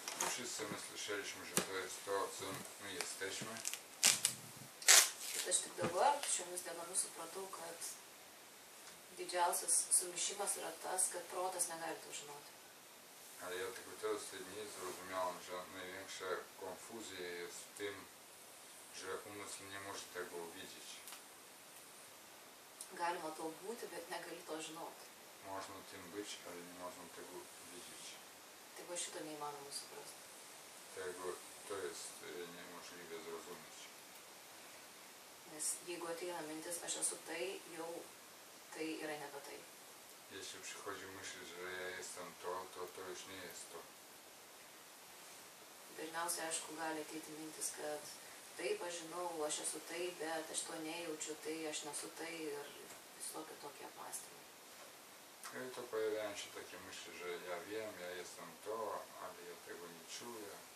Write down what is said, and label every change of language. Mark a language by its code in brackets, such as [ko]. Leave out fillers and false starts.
[pl] Wszyscy my słyszeliśmy, że to jest to, co my jesteśmy. [lt] Aš tik dabar šiomis dienomis supratau, kad didžiausias sumišimas yra tas, kad protas negali to žinoti. [pl] Ale ja tylko teraz te dni zrozumiałem, że największa konfuzja jest w tym, że umysł nie może tego widzieć. [lt] Galima to būti, bet negali to žinoti. [pl] Można tym być, ale nie można tego widzieć. [lt] Tego šito neįmanoma suprasti. [pl] Tego to jest niemożliwe zrozumieć. [lt] Nes jeigu ateina mintis, aš esu tai, jau tai yra nebe tai. [pl] Jeśli przychodzi myśl, że ja jestem to, to to już nie jest to. [lt] Pierwsze, aišku, gali ateiti mintis, kad taip, aš žinau, aš esu tai, bet aš to nejaučiu, tai aš nesu tai ir visokie tokie apmąstymai. [pl] I to pojawiają takie myśli, że ja wiem, ja jestem to, ale ja tego nie czuję.